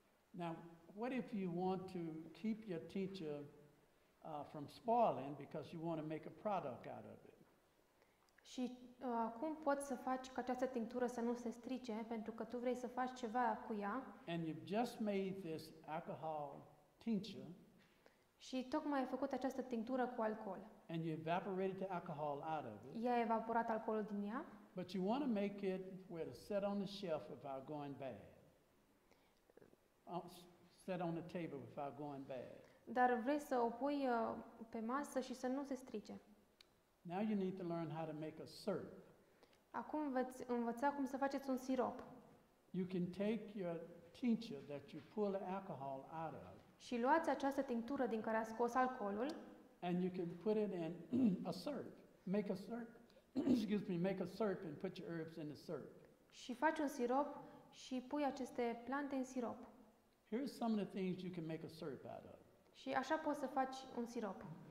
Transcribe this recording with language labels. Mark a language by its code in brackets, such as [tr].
[en] Now, what if you want to keep your tincture from spoiling because you want to make a product out of it? [ro] Și cum poți să faci ca această tinctură să nu se strice pentru că tu vrei să faci ceva cu ea? [en] And you've just made this alcohol tincture. [ro] Și tocmai ai făcut această tinctură cu alcool. [en] And you evaporated the alcohol out of it. [ro] I-a evaporat alcoolul din ea. [en] But you want to make it where to set on the shelf without going bad. Set on the table without going bad. [ro] Dar vrei să o pui pe masă și să nu se strice. [en] Now you need to learn how to make a syrup. [ro] Acum veți învăța cum să faceți un sirop. [en] You can take your tincture that you pull the alcohol out of. [ro] Și luați această tinctură din care a scos alcoolul. [en] And you can put it in a syrup. Make a syrup. Excuse me, make a syrup and put your herbs in the syrup. [ro] Și faci un sirop și pui aceste plante în sirop. [en] Here's some of the things you can make a syrup out of. [ro] Și așa poți să faci un sirop.